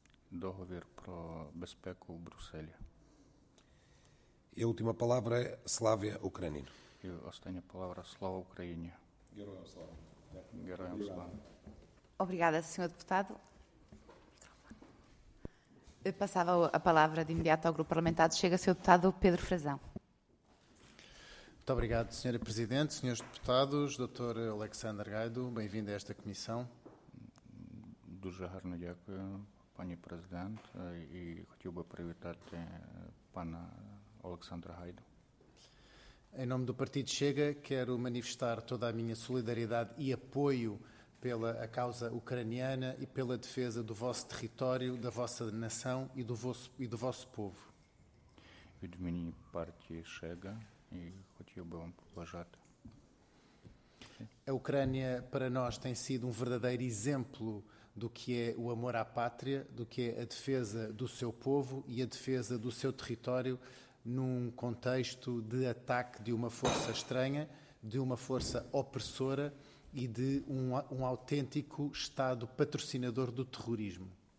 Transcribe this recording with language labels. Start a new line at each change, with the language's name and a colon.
Ukrainian: Договір про безпеку в Брюсселі.
Portuguese: І última palavra é
Ukrainian: Slavia Ukraini. І остання palavra Слава Україні. Героям слава. Героям слава.
Portuguese: Obrigada, senhor deputado. Eu passava a palavra de imediato ao grupo parlamentar. Chega, senhor deputado Pedro Frazão. Muito obrigado, senhora presidente, senhores deputados, doutor Alexander Gaido, bem-vindo a esta comissão.
Ukrainian: Дуже гарно дякую, пані президент, і хотів би привітати пана Олександра Гайду.
Portuguese: Em nome do Partido Chega, quero manifestar toda a minha solidariedade e apoio pela a causa ucraniana e pela defesa do vosso território, da vossa nação e do vosso povo.
Ukrainian: Від імені партії Chega, і хотів би вам побажати.
Portuguese: A Ucrânia para nós tem sido verdadeiro exemplo do que é o amor à pátria, do que é a defesa do seu povo e a defesa do seu território num contexto de ataque de uma força estranha, de uma força opressora e de um autêntico Estado patrocinador do terrorismo.